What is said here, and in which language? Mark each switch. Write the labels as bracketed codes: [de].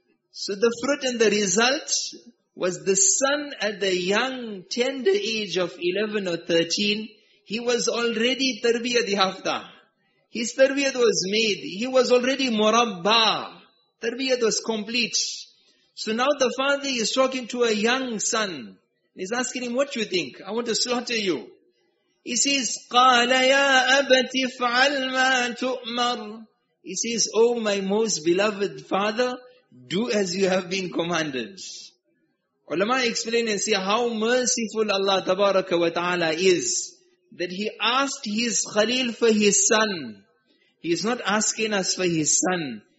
[en] So the fruit and the result was the son at the young, tender age of 11 or 13. He was already tarbiyat yafta. His tarbiyat was made. He was already murabba. Tarbiyat was complete. So now the father is talking to a young son. He's asking him, what you think? I want to slaughter you. He says, [ar] قَالَ يَا أَبَتِ فَعَلْ مَا تُؤْمَرُ. [en] He says, oh my most beloved father, do as you have been commanded. Ulama explain and say how merciful Allah tabaraka wa ta'ala is. That he asked his khalil for his son. He is not asking us for his son.